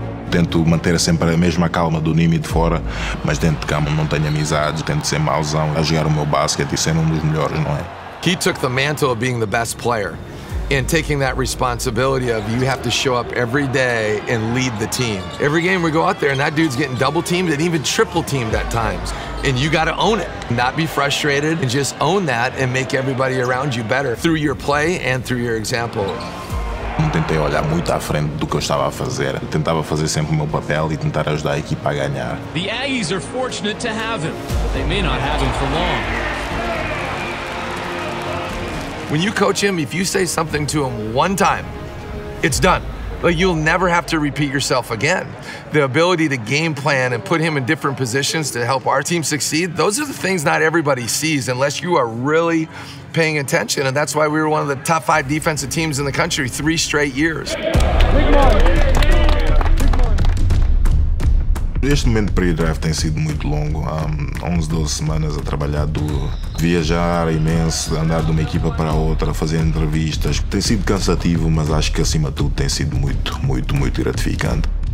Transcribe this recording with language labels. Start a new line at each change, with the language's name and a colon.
Portuguese: Tento manter sempre a mesma calma do Nimi de fora, mas dentro de campo não tenho amizades, tento ser mauzão a jogar o meu basquete e ser um dos melhores, não é?
English: He took the mantle of being the best player and taking that responsibility of you have to show up every day and lead the team. Every game we go out there and that dude's getting double teamed and even triple teamed at times. And you gotta own it, not be frustrated, and just own that and make everybody around you better through your play and through your example.
Portuguese: Não tentei olhar muito à frente do que eu estava a fazer. Eu tentava fazer sempre o meu papel e tentar ajudar a equipa a ganhar.
English: The Aggies are fortunate to have him, but they may not have him for long. When you coach him, if you say something to him one time, it's done. Like, you'll never have to repeat yourself again. The ability to game plan and put him in different positions to help our team succeed, those are the things not everybody sees unless you are really paying attention, and that's why we were one of the top 5 defensive teams in the country 3 straight years.
Portuguese: Este momento de pre-drive tem sido muito longo, 11, 12 semanas a trabalhar duro, viajar imenso, andar de uma equipa para outra, fazer entrevistas. Tem sido cansativo, mas acho que acima de tudo tem sido muito, muito, muito gratificante.